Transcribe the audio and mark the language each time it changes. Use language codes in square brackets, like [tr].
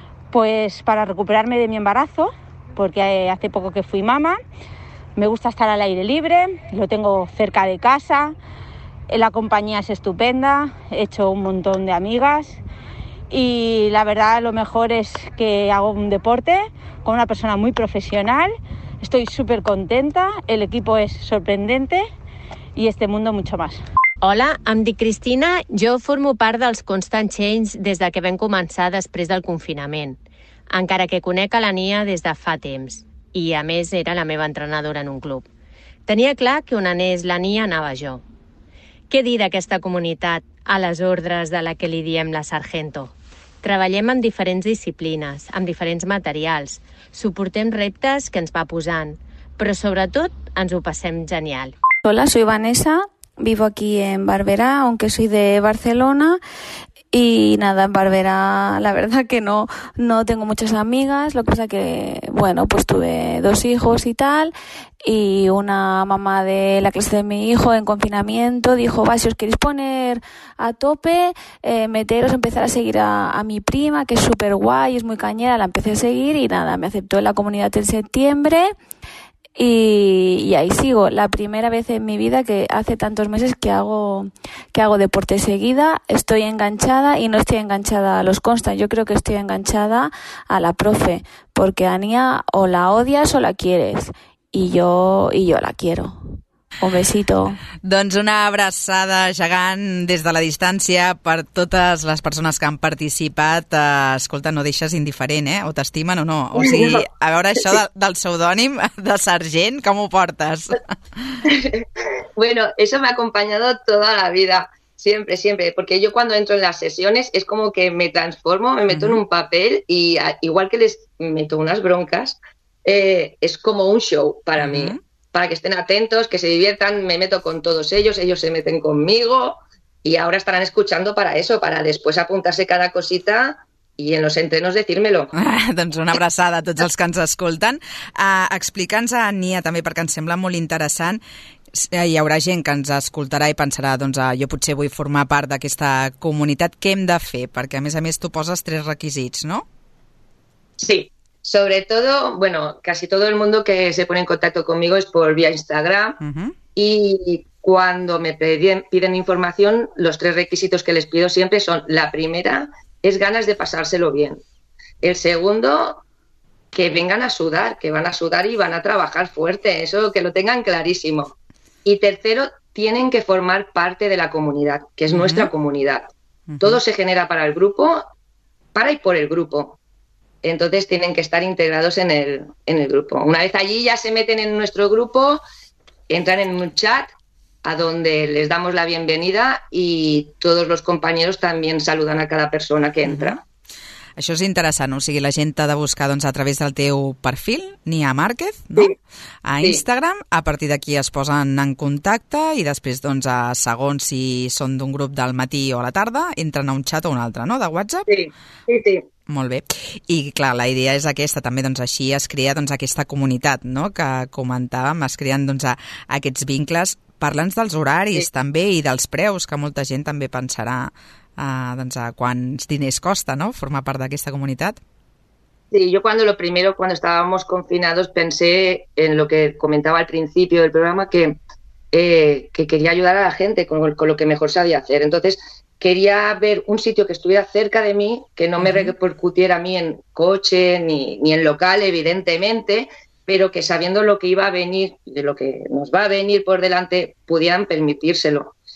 [es] Pues para recuperarme de mi embarazo, porque hace poco que fui mamá, me gusta estar al aire libre, lo tengo cerca de casa, la compañía es estupenda, he hecho un montón de amigas y la verdad lo mejor es que hago un deporte con una persona muy profesional, estoy súper contenta, el equipo es sorprendente y este mundo mucho más. [ca] Hola, em dic Cristina. Jo formo part dels Constant Change des de que vam començar després del confinament, encara que conec a la Nia des de fa temps i, a més, era la meva entrenadora en un club. Tenia clar que on anés la Nia anava jo. Què dir d'aquesta comunitat a les ordres de la que li diem la Sargento? Treballem en diferents disciplines, amb diferents materials, suportem reptes que ens va posant, però, sobretot, ens ho passem genial. [es] Hola, soy Vanessa. Vivo aquí en Barberá, aunque soy de Barcelona, y nada, en Barberá la verdad que no tengo muchas amigas, lo que pasa que, bueno, pues tuve dos hijos y tal, y una mamá de la clase de mi hijo en confinamiento dijo, va, si os queréis poner a tope, meteros, empezar a seguir a mi prima, que es súper guay, es muy cañera, la empecé a seguir, y nada, me aceptó en la comunidad en septiembre, y ahí sigo, la primera vez en mi vida que hace tantos meses que hago deporte seguida, estoy enganchada y no estoy enganchada a los Constant, yo creo que estoy enganchada a la profe, porque Ania o la odias o la quieres, y yo la quiero. Un besito. [ca] Doncs una abraçada gegant des de la distància per totes les persones que han participat. Escolta, no deixes indiferent, eh? O t'estimen o no. O sigui, a veure això del pseudònim de sergent, com ho portes? [es] Bueno, eso me ha acompañado toda la vida. Siempre, siempre. Porque yo cuando entro en las sesiones es como que me transformo, me meto en un papel y igual que les meto unas broncas, es como un show para mí. Para que estén atentos, que se diviertan, me meto con todos ellos, ellos se meten conmigo y ahora estarán escuchando para eso, para después apuntarse cada cosita y en los entrenos decírmelo. [ca] Doncs una abraçada a tots els que ens escolten. Explica'ns a Nia també, perquè ens sembla molt interessant. Hi haurà gent que ens escoltarà i pensarà, doncs, jo potser vull formar part d'aquesta comunitat. Què hem de fer? Perquè, a més, tu poses tres requisits, no? [es] Sí. Sobre todo, bueno, casi todo el mundo que se pone en contacto conmigo es por vía Instagram. Y cuando me piden información, los tres requisitos que les pido siempre son, la primera es ganas de pasárselo bien. El segundo, que vengan a sudar, que van a sudar y van a trabajar fuerte. Eso, que lo tengan clarísimo. Y tercero, tienen que formar parte de la comunidad, que es nuestra comunidad. Todo se genera para el grupo, para y por el grupo. Entonces tienen que estar integrados en el grupo. Una vez allí ya se meten en nuestro grupo, entran en un chat a donde les damos la bienvenida y todos los compañeros también saludan a cada persona que entra. [ca] Això és interessant, o sigui, la gent t'ha de buscar doncs, a través del teu perfil, Nia Márquez, no? A Instagram, a partir d'aquí es posen en contacte i després, doncs, a segons si són d'un grup del matí o a la tarda, entren a un chat o un altre, no?, de WhatsApp. Sí. Molt bé. I, clar, la idea és aquesta, també, doncs, així es crea doncs, aquesta comunitat, no?, que comentàvem, es creen doncs, aquests vincles. Parla'ns dels horaris, també, i dels preus, que molta gent també pensarà... doncs a quants diners costa, no?, formar part d'aquesta comunitat. [es] Sí, yo cuando lo primero, cuando estábamos confinados, pensé en lo que comentaba al principio del programa, que quería ayudar a la gente con lo que mejor sabía hacer. Entonces, quería ver un sitio que estuviera cerca de mí, que no me repercutiera a mí en coche ni en local, evidentemente, pero que sabiendo lo que iba a venir, de lo que nos va a venir por delante, pudieran permitírselo.